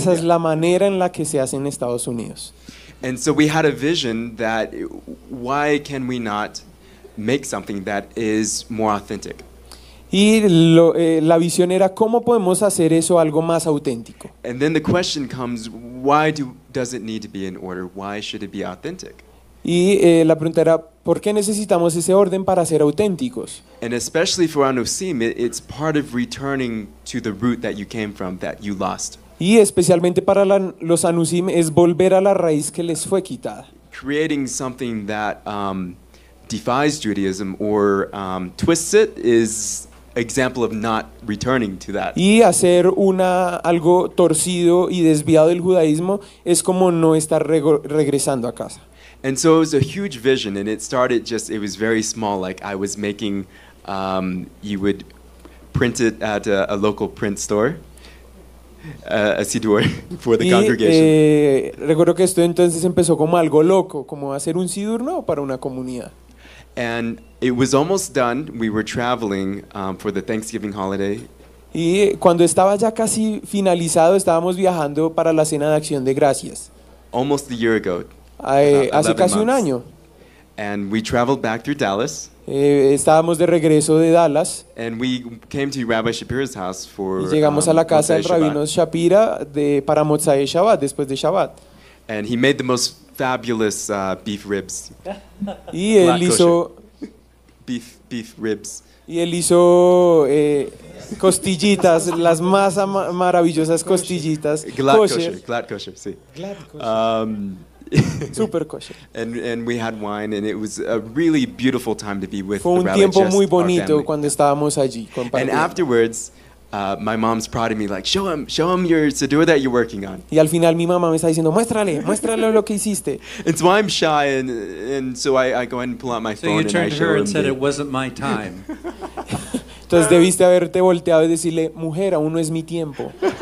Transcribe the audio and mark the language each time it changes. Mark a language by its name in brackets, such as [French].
[Spanish] Esa es la manera en la que se hace en Estados Unidos. [English] And so we had a vision that why can we not make something that is more authentic. [Spanish] Y lo, la visión era cómo podemos hacer eso algo más auténtico. [English] And then the question comes, why does it need to be in order? Why should it be authentic? [Spanish] Y la pregunta era, ¿por qué necesitamos ese orden para ser auténticos? [English] And especially for Anusim, it's part of returning to the root that you came from, that you lost. [Spanish] Y especialmente para la, los Anusim es volver a la raíz que les fue quitada. [English] Creating something that defies Judaism or twists it is example of not returning to that. [Spanish] Y hacer una algo torcido y desviado del judaísmo es como no estar regresando a casa. [English] And so it was a huge vision, and it started just, it was very small, like I was making you would print it at a local print store. Sidur for the [Spanish] y, [English] congregation. [Spanish] Recuerdo que esto entonces empezó como algo loco, como hacer un sidur no para una comunidad. [English] And it was almost done. We were traveling for the Thanksgiving holiday. [Spanish] Y cuando estaba ya casi finalizado, estábamos viajando para la Cena de Acción de Gracias. [English] Almost a year ago. [Spanish] Hace casi un año. [English] And we traveled back through Dallas. [Spanish] Estábamos de regreso de Dallas. [English] And we came to Rabbi Shapira's house for. [Spanish] Y llegamos a la casa del rabino Shapira de para Motzai Shabbat después de Shabbat. [English] And he made the most fabulous beef ribs. [Spanish] Y él hizo [English] beef ribs. [Spanish] Y él hizo costillitas, las más maravillosas costillitas. [English] Glad kosher. Glad kosher. Sí. Glad super kosher. And we had wine, and it was a really beautiful time to be with. [Spanish] Fue un tiempo muy bonito cuando estábamos allí. [English] And afterwards, my mom's prodding me like, show him your siddur that you're working on. [Spanish] Y al final mi mamá me está diciendo, muéstrale lo que hiciste. [English] And so I'm shy, and so I go ahead and pull out my phone. So you turned and I show her and him said the... it wasn't my time. [Spanish] Entonces debiste haberte volteado y decirle, mujer, aún no es mi tiempo.